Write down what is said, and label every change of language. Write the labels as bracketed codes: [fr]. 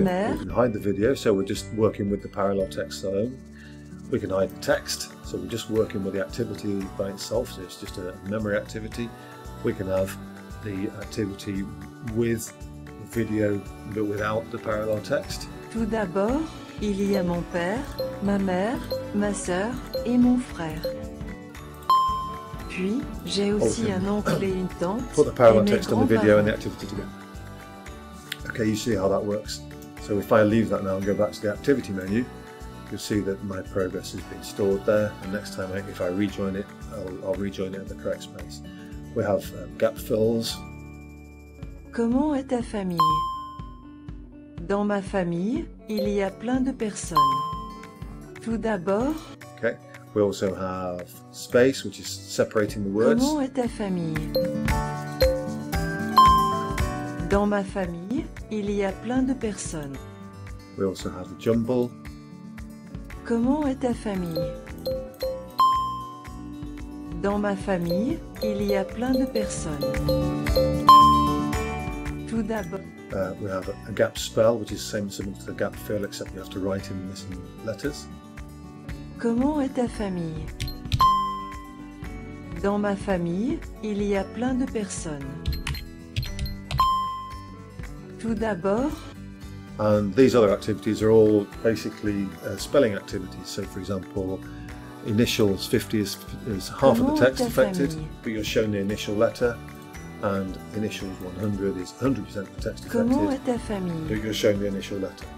[en] We can hide the video, so we're just working with the parallel text alone. We can hide the text, so we're just working with the activity by itself, so it's just a memory activity. We can have the activity with the video, but without the parallel text. [fr] Tout d'abord, il y a mon père, ma mère, ma sœur et mon frère. Puis, j'ai aussi un oncle et une tante. [en] Put the parallel text on the video and the activity together. Okay, you see how that works. So if I leave that now and go back to the activity menu, you'll see that my progress has been stored there. And next time, if I rejoin it, I'll rejoin it in the correct space. We have gap fills. [fr] Comment est ta famille? Dans ma famille, il y a plein de personnes. Tout d'abord. [en] Okay. We also have space, which is separating the words. [fr] Comment est ta famille? Dans ma famille, il y a plein de personnes. [en] We also have a jumble. [fr] Comment est ta famille? Dans ma famille, il y a plein de personnes. Tout d'abord. [en] We have a gap spell, which is same similar to the gap fill, except you have to write in missing letters. [fr] Comment est ta famille? Dans ma famille, il y a plein de personnes. Tout d'abord. [en] And these other activities are all basically spelling activities. So, for example, initials 50 is half of the text affected, but you're shown the initial letter. And initials 100 is 100% of the text affected, but you're shown the initial letter.